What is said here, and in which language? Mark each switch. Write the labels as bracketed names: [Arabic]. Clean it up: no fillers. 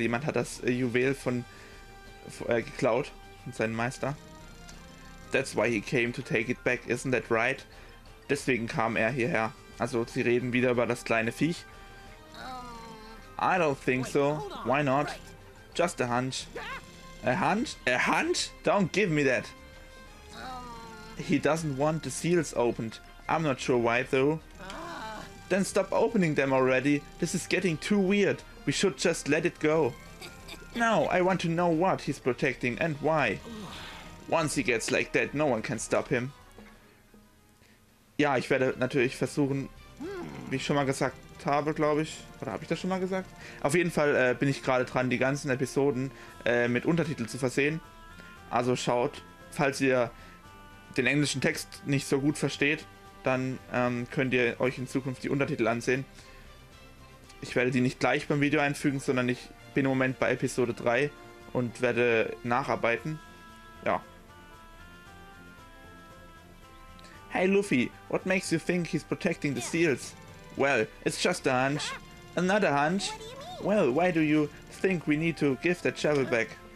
[German] Jemand hat das Juwel geklaut von seinem Meister. [English] That's why he came to take it back, isn't that right? [German] Deswegen kam er hierher. Also, sie reden wieder über das kleine Viech. [English] I don't think so. Why not? Just a hunch. A hunch? A hunch? Don't give me that. He doesn't want the seals opened. I'm not sure why though. Then stop opening them already. This is getting too weird. We should just let it go. No, I want to know what he's protecting and why. Once he gets like that, no one can stop him. [German] Ja, ich werde natürlich versuchen, wie ich schon mal gesagt habe, glaube ich. Oder habe ich das schon mal gesagt? Auf jeden Fall bin ich gerade dran, die ganzen Episoden mit Untertiteln zu versehen. Also schaut, falls ihr den englischen Text nicht so gut versteht, dann könnt ihr euch in Zukunft die Untertitel ansehen. Ich werde die nicht gleich beim Video einfügen, sondern ich bin im Moment bei Episode 3 und werde nacharbeiten. Ja. [English] Hey Luffy, what makes you think he's protecting the seals? Well, it's just a hunch. Another hunch? Well, why do you think we need to give that shovel back?